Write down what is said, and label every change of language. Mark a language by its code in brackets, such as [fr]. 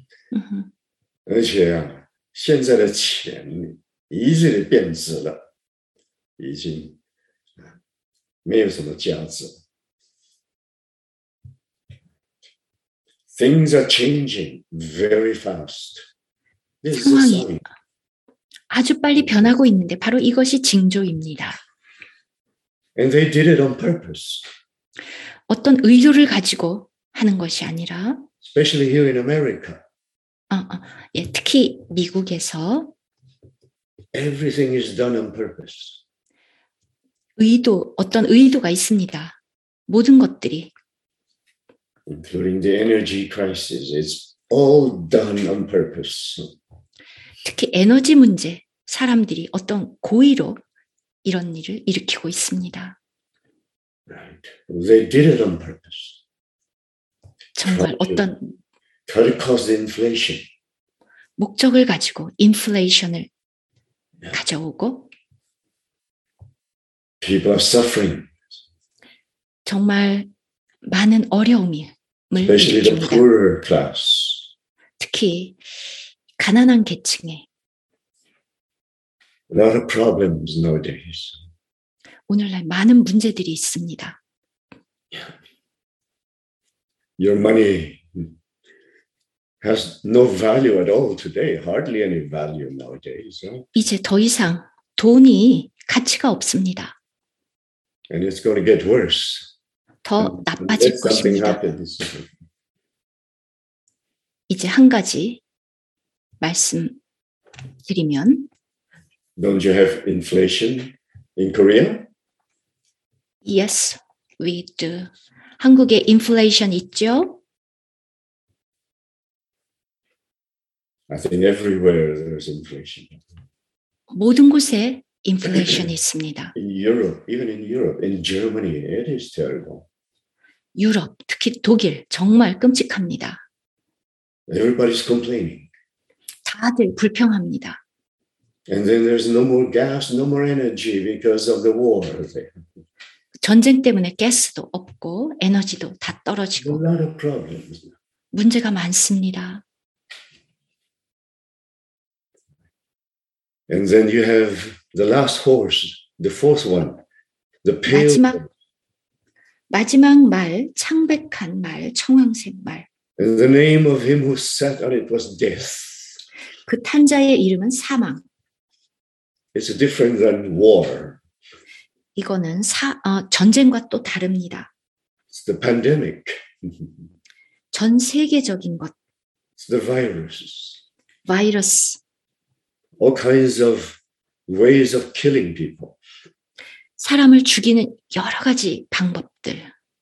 [zh] 现在很贵啊。而且啊, 现在的钱, 已经变质了, 已经, 没有什么价值。 [en] Things are changing very fast. This [ko] 상황이 [en] is a sign. [ko] 아주 빨리 변하고 있는데 바로 이것이 징조입니다. [en] And they did it on purpose. [ko] 어떤 의도를 가지고 하는 것이 아니라 [en] Especially here in America. [ko] 예, 특히 미국에서 [en] Everything is done on purpose. [ko] 의도, 어떤 의도가 있습니다. 모든 것들이 [en] Including the energy crisis, it's all done on purpose. [ko] 특히 에너지 문제, 사람들이 어떤 고의로 이런 일을 일으키고 있습니다. [en] Right. They did it on purpose. [ko] 정말 어떤 [en] try to cause the inflation. [ko] 목적을 가지고 인플레이션을 가져오고 [en] People are suffering. [ko] 정말 많은 어려움이 [en] Especially the poorer class. [ko] 특히 가난한 계층에. [en] A lot of problems nowadays. [ko] 오늘날 많은 문제들이 있습니다. [en] Your money has no value at all today. Hardly any value nowadays. [ko] 이제 더 이상 돈이 가치가 없습니다. [en] And it's going to get worse. [ko] 더 나빠질 것입니다. 이제 한 가지 말씀드리면 [en] Don't you have inflation in Korea? Yes, we do. [ko] 한국에 인플레이션 있죠? [en] I think everywhere there's inflation. [ko] 모든 곳에 인플레이션이 있습니다. [en] In Europe, even in Europe, in Germany, it is terrible. [ko] 유럽, 특히 독일, 정말 끔찍합니다. [en] Everybody's complaining. [ko] 다들 불평합니다. [en] And then there's no more gas, no more energy because of the war there. [ko] 전쟁 때문에 가스도 없고 에너지도 다 떨어지고 [en] a lot of problems. [ko] 문제가 많습니다. [en] And then you have the last horse, the fourth one, the pale. [ko] 마지막 말, 창백한 말, 청황색 말. [en] And the name of him who sat on it was death. [ko] 그 탄 자의 이름은 사망. [en] It's different than war. [ko] 이거는 전쟁과 또 다릅니다. [en] It's the pandemic. [ko] 전 세계적인 것. [en] It's the viruses. [ko] 바이러스. [en] All kinds of ways of killing people. [ko] 사람을 죽이는 여러 가지 방법들.